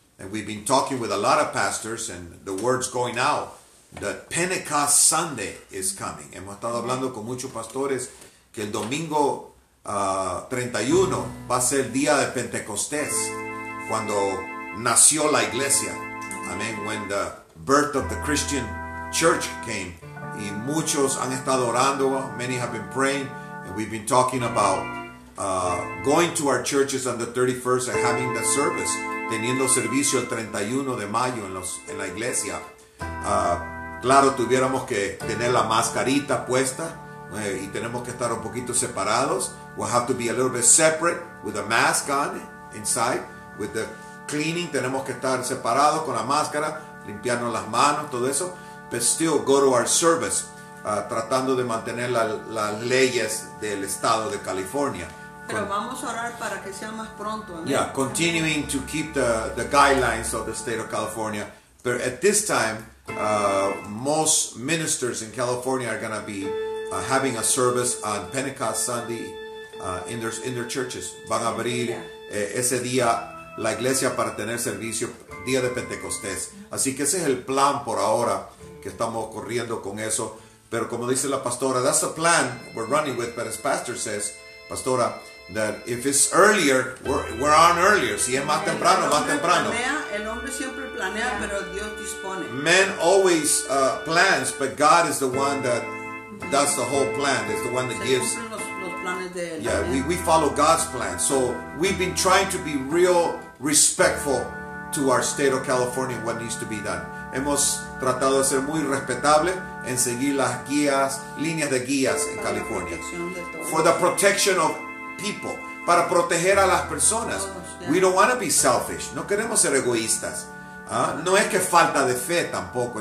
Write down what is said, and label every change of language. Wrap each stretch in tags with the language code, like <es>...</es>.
<en>And we've been talking with a lot of pastors, and the word's going out that Pentecost Sunday is coming.</en> <es>Hemos estado hablando con muchos pastores que el domingo 31 va a ser el día de Pentecostés, cuando nació la iglesia. Amen.</es> <en>When the birth of the Christian church came.</en> <es>Y muchos han estado orando.</es> <en>Many have been praying. And we've been talking about going to our churches on the 31st and having the service.</en> <es>Teniendo servicio el 31 de mayo en la iglesia. Claro, tuviéramos que tener la mascarita puesta. Y tenemos que estar un poquito separados.</es> <en>We'll have to be a little bit separate with a mask on inside. With the cleaning,</en> <es>tenemos que estar separados con la máscara, limpiarnos las manos, todo eso.</es> <en>But still, go to our service,</en> <es>tratando de mantener las leyes del estado de California. Pero vamos a orar para que sea más pronto, ¿no?</es> <en>Yeah, continuing to keep the guidelines of the state of California. But at this time, most ministers in California are going to be having a service on Pentecost Sunday in their churches.</en> <es>Van a abrir ese día la iglesia para tener servicio día de Pentecostés. Así que ese es el plan por ahora, que estamos corriendo con eso. Pero como dice la pastora,</es> <en>that's the plan we're running with. But as pastor says, pastora, that if it's earlier, we're on earlier.</en> <es>Si es más temprano, más temprano. El hombre siempre planea, pero Dios dispone.</es> <en>Men always plans, but God is the one that does the whole plan. It's the one that gives. Yeah, we follow God's plan. So we've been trying to be real respectful to our state of California and what needs to be done.</en> <es>Hemos tratado de ser muy respetable en seguir las guías, líneas de guías en California.</es> <en>For the protection of people.</en> <es>Para proteger a las personas.</es> <en>We don't want to be selfish.</en> <es>No queremos ser egoístas. No es que falta de fe tampoco.</es>